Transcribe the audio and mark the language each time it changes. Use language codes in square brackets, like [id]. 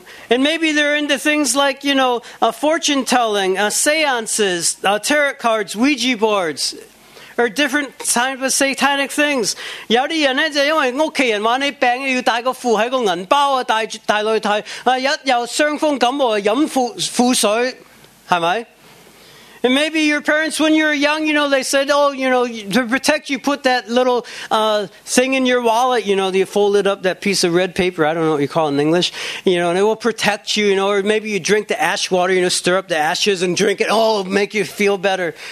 [en] and maybe they're into things like, you know, fortune telling, seances, tarot cards, Ouija boards, or different types of satanic things. [zh] 有些人就因为家人说你病,要带个符在银包,带来带, 一有伤风感冒,喝符水, 是不是? [en] And maybe your parents, when you were young, you know, they said, oh, you know, to protect you, put that little thing in your wallet, you know, you fold it up, that piece of red paper, I don't know what you call it in English, you know, and it will protect you, you know, or maybe you drink the ash water, you know, stir up the ashes and drink it, oh, it'll make you feel better.